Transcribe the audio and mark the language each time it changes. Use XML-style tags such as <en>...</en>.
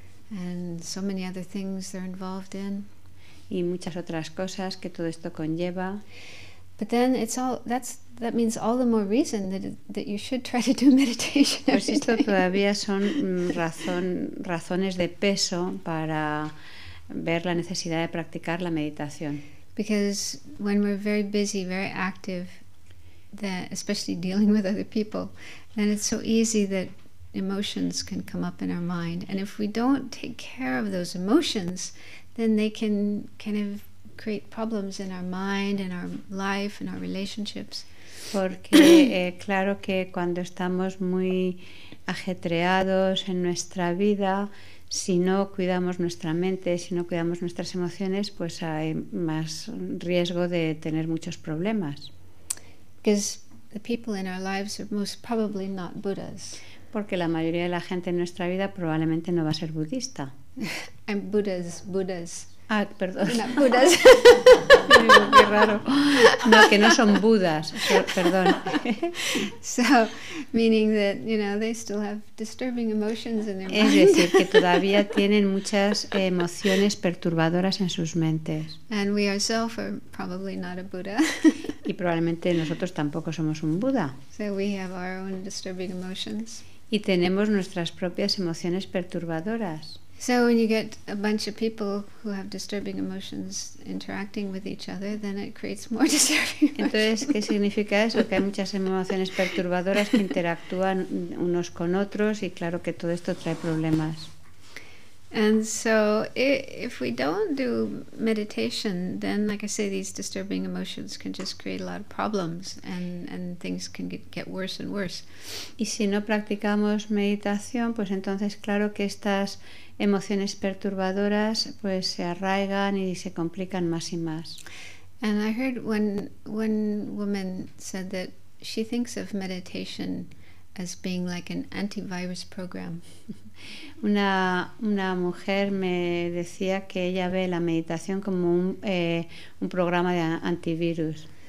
<en>And so many other things they're involved in.</en> <es>Y muchas otras cosas que todo esto conlleva.</es> <en>But then it's all that means all the more reason that you should try to do meditation.</en> <es>Pues esto todavía son razones de peso para ver la necesidad de practicar la meditación.</es> <en>Because when we're very busy, very active, that especially dealing with other people, then it's so easy that emotions can come up in our mind. And if we don't take care of those emotions, then they can kind of create problems in our mind, in our life, in our relationships.</en> <es>Porque claro que cuando estamos muy ajetreados en nuestra vida, si no cuidamos nuestra mente, si no cuidamos nuestras emociones, pues hay más riesgo de tener muchos problemas.</es> <en>Because the people in our lives are most probably not Buddhas.</en> <es>Porque la mayoría de la gente en nuestra vida probablemente no va a ser budista.</es> <en>I'm Buddhas.</en> <es>Ah, perdón.</es> <en>No, Buddhas.</en> <es>Qué raro. No, que no son Budas. Perdón.</es> <en>So, meaning that, you know, they still have disturbing emotions in their mind.</en> <es>Es decir, que todavía tienen muchas emociones perturbadoras en sus mentes.</es> <en>And we ourselves are probably not a Buddha.</en> <es>Y probablemente nosotros tampoco somos un Buda.</es> <en>So we have our own disturbing emotions.</en> <es>Y tenemos nuestras propias emociones perturbadoras.</es> <en>So when you get a bunch of people who have disturbing emotions interacting with each other, then it creates more disturbing emotions.</en> <es>Entonces, ¿qué significa eso? Que hay muchas emociones perturbadoras que interactúan unos con otros y claro que todo esto trae problemas.</es> <en>And so if we don't do meditation, then like I say, these disturbing emotions can just create a lot of problems and things can get worse and worse.</en> <es>Y si no practicamos meditación, pues entonces claro que estas emociones perturbadoras pues se arraigan y se complican más y más.</es> <en>And I heard one woman said that she thinks of meditation as being like an antivirus program.</en> <es>Una mujer me decía que ella ve la meditación como un programa de antivirus.</es>